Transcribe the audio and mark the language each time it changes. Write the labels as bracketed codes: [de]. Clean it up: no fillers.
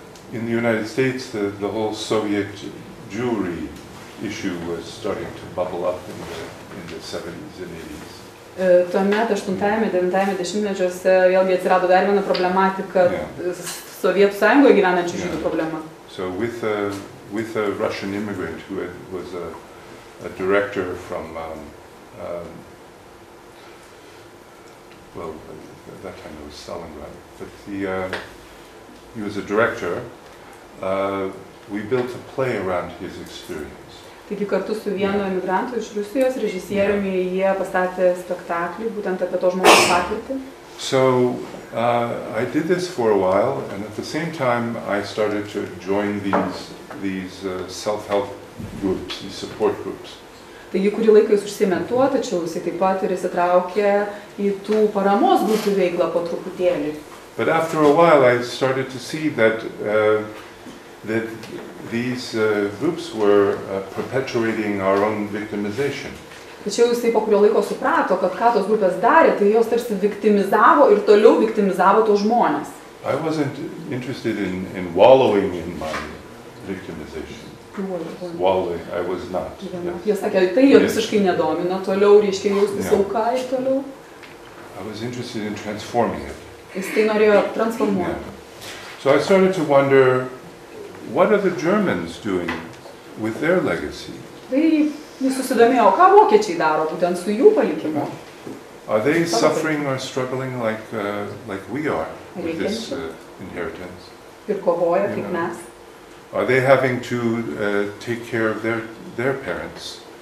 [en] In the United States, the whole Soviet Jewry issue was starting to bubble up in the 70s and 80s. [lt] Tuomet 80-90 dešimtmečiuose vėlgi atsirado dar viena problematika, Sovietų Sąjungoje gyvenančių žydų problema. [en] So with a Russian immigrant who was a director from at that time it was Stalingrad, but he was a director. We built a play around his experience. [lt] Taigi kartu su vienu emigrantu iš Rusijos režisieriumi jie pastatė spektaklį būtent apie to žmogaus patirtį. [en] So I did this for a while, and at the same time I started to join these self-help groups, these support groups. [lt] Taigi kurį laiką jis užsiėmė tuo, tačiau jis taip pat ir įsitraukė į tų paramos grupių veiklą po truputėlį. [en] But after a while I started to see that that these groups were perpetuating our own victimization. [lt] Tačiau jisai po kurio laiko suprato, kad ką tos grupės darė, tai jos tarsi viktimizavo ir toliau viktimizavo tos žmonės. [en] I wasn't interested in wallowing in my victimization. Wallowing, I was not. [lt] Jie sakė, tai jo visiškai nedomino, toliau reiškia jausti sauką ir toliau. [en] I was interested in transforming it. [lt] Jis tai norėjo transformuoti. [en] So I started to wonder, what are the Germans doing with their legacy? [lt] Tai susidomėjo, ką vokiečiai daro būtent su jų palikimu. [en] Are they suffering or struggling like we are with this inheritance? [lt] Ir kovoja kaip mes. [en] Are they having to take care of their parents?